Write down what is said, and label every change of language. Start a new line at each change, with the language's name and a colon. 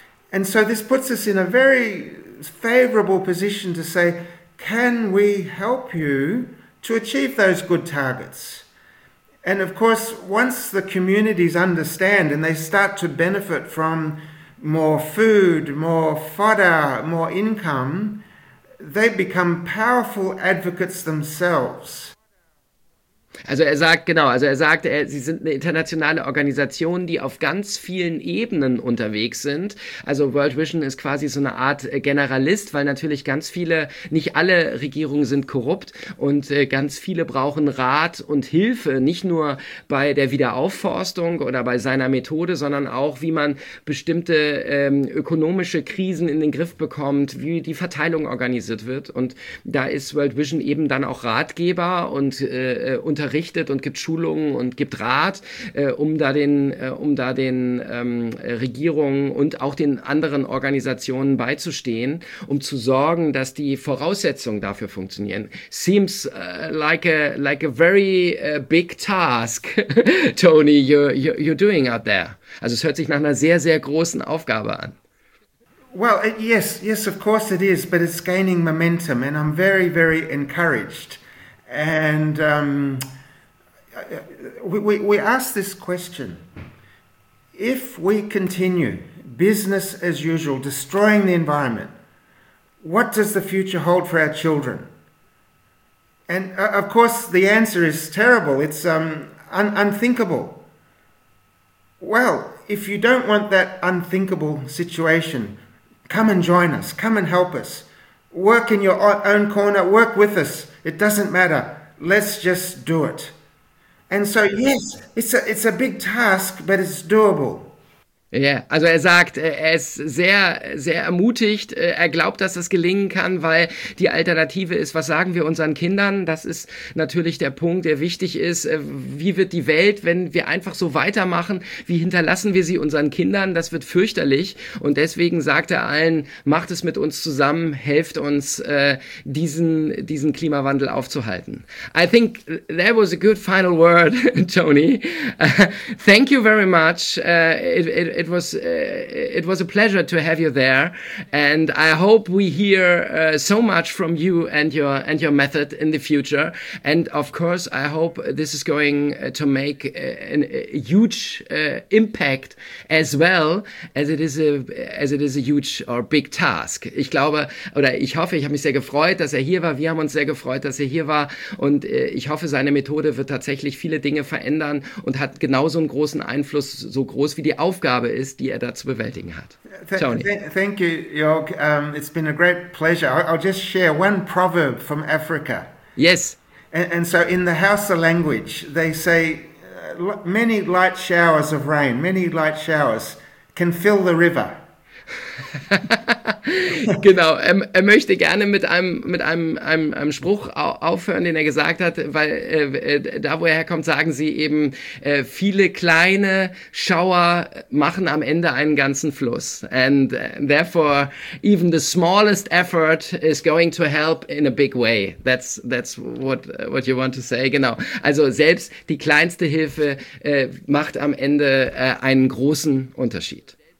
English: And so this puts us in a very favorable position to say, can we help you to achieve those good targets? And of course, once the communities understand and they start to benefit from more food, more fodder, more income, they become powerful advocates themselves.
German: Also er sagt, genau, also er sagt, sie sind eine internationale Organisation, die auf ganz vielen Ebenen unterwegs sind. Also World Vision ist quasi so eine Art Generalist, weil natürlich ganz viele, nicht alle Regierungen sind korrupt und ganz viele brauchen Rat und Hilfe, nicht nur bei der Wiederaufforstung oder bei seiner Methode, sondern auch, wie man bestimmte ökonomische Krisen in den Griff bekommt, wie die Verteilung organisiert wird. Und da ist World Vision eben dann auch Ratgeber und unterrichtet und gibt Schulungen und gibt Rat, um da den Regierungen und auch den anderen Organisationen beizustehen, um zu sorgen, dass die Voraussetzungen dafür funktionieren.
English: Seems like a very big task, Tony, you're doing out there.
German: Also es hört sich nach einer sehr, sehr großen Aufgabe an.
English: Well, yes, of course it is, but it's gaining momentum and I'm very, very encouraged. And we ask this question: if we continue business as usual, destroying the environment, what does the future hold for our children? And of course, the answer is terrible. It's unthinkable. Well, if you don't want that unthinkable situation, come and join us. Come and help us. Work in your own corner. Work with us. It doesn't matter. Let's just do it. And so, yes, it's a big task, but it's doable.
German: Ja, also er sagt, er ist sehr, sehr ermutigt. Er glaubt, dass das gelingen kann, weil die Alternative ist, was sagen wir unseren Kindern? Das ist natürlich der Punkt, der wichtig ist. Wie wird die Welt, wenn wir einfach so weitermachen? Wie hinterlassen wir sie unseren Kindern? Das wird fürchterlich. Und deswegen sagt er allen, macht es mit uns zusammen, helft uns, diesen Klimawandel aufzuhalten.
English: I think that was a good final word, Tony. Thank you very much. It was a pleasure to have you there, and I hope we hear so much from you and your method in the future. And of course, I hope this is going to make a huge impact as well as it is a huge or big task.
German: Ich glaube oder ich hoffe, ich habe mich sehr gefreut, dass er hier war. Wir haben uns sehr gefreut, dass er hier war, und ich hoffe, seine Methode wird tatsächlich viele Dinge verändern und hat genauso einen großen Einfluss, so groß wie die Aufgabe ist, die er da zu bewältigen hat.
English: Tony. Thank you, Jörg. It's been a great pleasure. I'll just share one proverb from Africa. Yes. And so in the Hausa language, they say, many light showers of rain, many light showers can fill the river.
German: Genau, er möchte gerne mit einem Spruch aufhören, den er gesagt hat, weil da, wo er herkommt, sagen sie eben, viele kleine Schauer machen am Ende einen ganzen Fluss.
English: And therefore, even the smallest effort is going to help in a big way. That's what you want to say, genau.
German: Also selbst die kleinste Hilfe macht am Ende einen großen Unterschied.